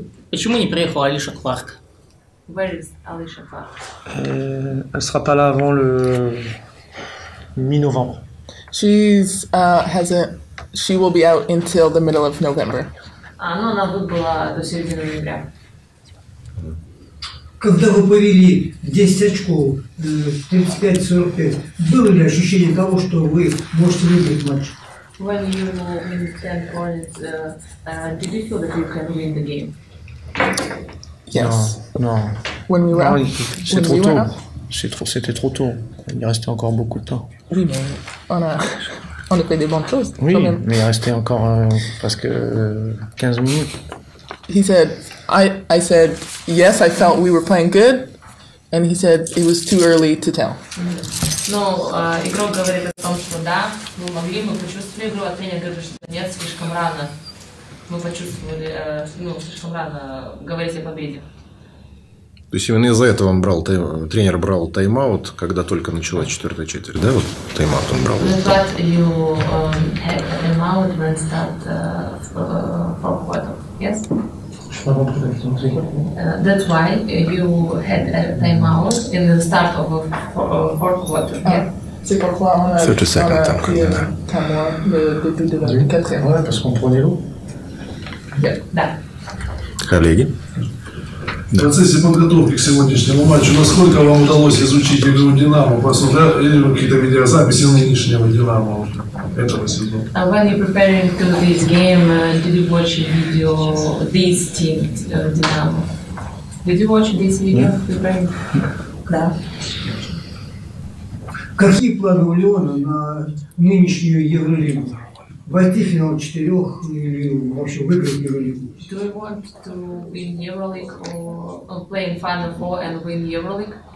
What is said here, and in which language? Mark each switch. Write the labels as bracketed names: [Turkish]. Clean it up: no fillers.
[Russian] Почему не приехал Алиша Кларк? [English] Where is Алиша Кларк? [French] Elle sera pas là avant le mi-novembre. [English] She's she will be out until the middle of November. [Russian] Ну, она выбыла до середины ноября. Когда вы повели 10 очков, 35-45, было ли ощущение того, что вы можете выиграть матч? [English] When you win 10 points, did you feel that you can win the game? Yes. No. When we were out, [French] c'est trop tôt. C'était trop tôt. Il restait encore beaucoup de temps. Oui, mais on a fait des bonnes choses. Oui, mais il restait encore parce que 15 minutes. [English] He said, I said, yes, I felt we were playing good. And he said it was too early to tell. [Russian] Ну, игрок говорит о том, что да, мы могли, мы почувствовали игру, а тренер говорит, что нет, слишком рано. Мы почувствовали, слишком рано говорить о победе. То есть именно из-за этого он брал тренер брал тайм-аут, когда только началась четвертая четверть, да? Вот тайм-аут он брал. [English] But you had a timeout when start fourth quarter, yes? That's why you had a timeout in the start of a fourth quarter. Yeah. 30 seconds. Yeah. Because we took the ball. Yeah. [Russian] В процессе подготовки к сегодняшнему матчу, насколько вам удалось изучить игру Динамо, послушать какие-то видеозаписи нынешнего Динамо этого сезона? [English] When you're preparing to this game, did you watch a video this team Динамо? Did you watch this video preparing? [Russian] Да. Какие планы у Леона на нынешнюю Евролигу? Войти в финал четырех или вообще выиграть Евролигу? [English] Do you want to win Euroleague or play in Final Four and win Euroleague?